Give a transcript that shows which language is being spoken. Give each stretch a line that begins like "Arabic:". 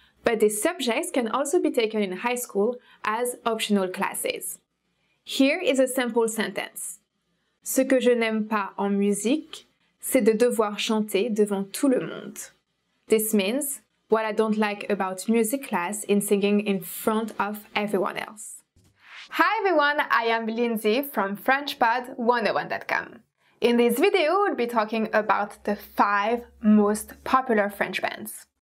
English: But these subjects can also be taken in high school as optional classes. Here is a simple sentence.
French: Ce que je n'aime pas en musique, c'est de devoir chanter devant tout le monde.
English: This means, what I don't like about music class is singing in front of everyone else. Hi everyone, I am Lindsay from FrenchPod101.com. In this video, we'll be talking about the 5 most popular French bands.